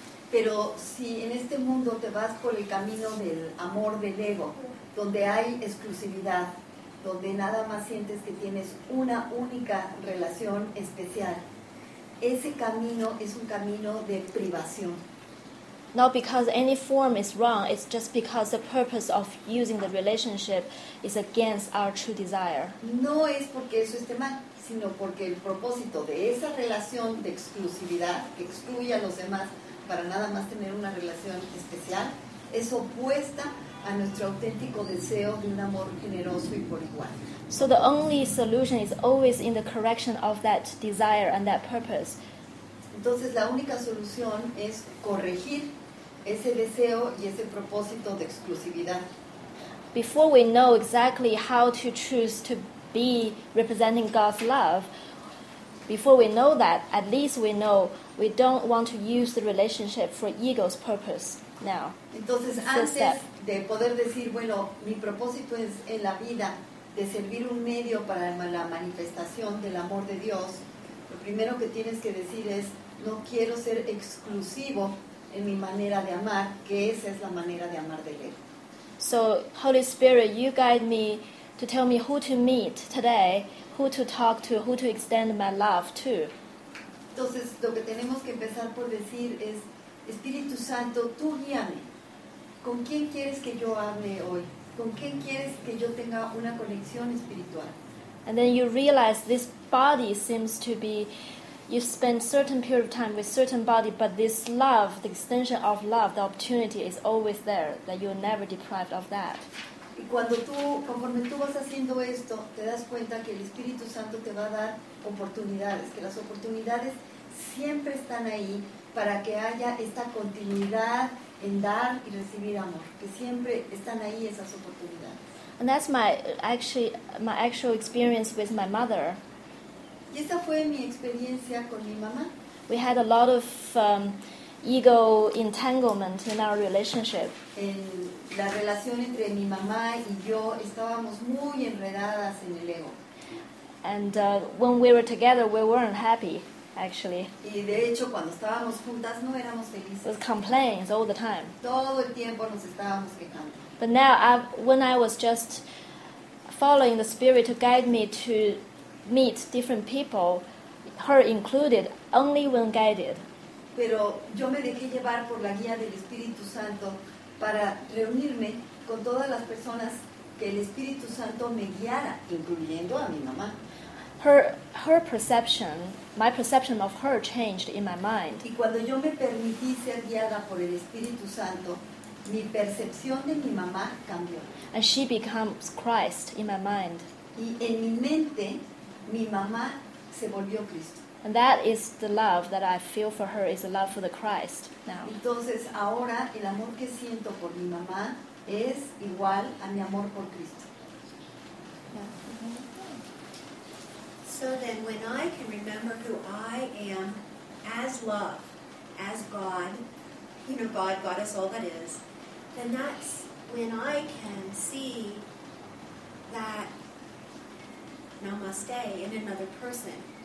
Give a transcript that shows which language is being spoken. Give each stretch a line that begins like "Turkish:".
Spanish: Pero si en este mundo te vas por el camino del amor del ego, donde hay exclusividad, donde nada más sientes que tienes una única relación especial, ese camino es un camino de privación.
English: Not because any form is wrong, it's just because the purpose of using the relationship is against our true desire.
Spanish: No es porque eso esté mal, sino porque el propósito de esa relación de exclusividad, que excluye a los demás para nada más tener una relación especial, es opuesta a nuestro auténtico deseo de un amor generoso y por igual.
English: So the only solution is always in the correction of that desire and that purpose.
Spanish: Entonces la única solución es corregir ese deseo y ese propósito de exclusividad.
English: Before we know exactly how to choose to be representing God's love, before we know that, at least we know we don't want to use the relationship for ego's purpose now.
Spanish: Entonces antes de poder decir, bueno, mi propósito es en la vida de servir un medio para la manifestación del amor de Dios, lo primero que tienes que decir es, no quiero ser exclusivo en mi manera de amar, que esa es la manera de amar del ego.
English: So, Holy Spirit, you guide me to tell me who to meet today, who to talk to, who to extend my love to.
Spanish: Entonces, lo que tenemos que empezar por decir es, Espíritu Santo, tú guíame. ¿Con quién quieres que yo hable hoy? ¿Con quién quieres que yo tenga una conexión espiritual?
English: And then you realize this body seems to be, you spend certain period of time with certain body, but this love, the extension of love, the opportunity is always there, that you're never deprived of that.
Spanish: Y cuando tú, conforme tú vas haciendo esto, te das cuenta que el Espíritu Santo te va a dar oportunidades, que las oportunidades siempre están ahí para que haya esta continuidad en dar y recibir amor, que siempre están ahí esas oportunidades.
English: And that's my actual experience with my mother.
Spanish: Y esa fue mi experiencia con mi mamá.
English: We had a lot of ego entanglement in our relationship.
Spanish: En la relación entre mi mamá y yo estábamos muy enredadas en el ego.
English: And when we were together, we weren't happy, actually.
Spanish: Y de hecho, cuando estábamos juntas, no éramos felices.
English: It was complaints all the time.
Spanish: Todo el tiempo nos estábamos quejando.
English: But now, when I was just following the spirit to guide me to meet different people, her included, only when guided.
Spanish: Pero yo me dejé llevar por la guía del Espíritu Santo para reunirme con todas las personas que el Espíritu Santo me guiara, incluyendo a mi mamá.
English: Her perception, my perception of her changed in my mind.
Spanish: Y cuando yo me permití ser guiada por el Espíritu Santo, mi percepción de mi mamá cambió.
English: And she becomes Christ in my mind.
Spanish: Y en mi mente, mi mamá se volvió Cristo.
English: And that is the love that I feel for her, is the love for the Christ now.
Spanish: Entonces, ahora el amor que siento por mi mamá es igual a mi amor por Cristo.
English: So then when I can remember who I am as love, as God, you know, God, God is all that is, then that's when I can see that namaste in another person.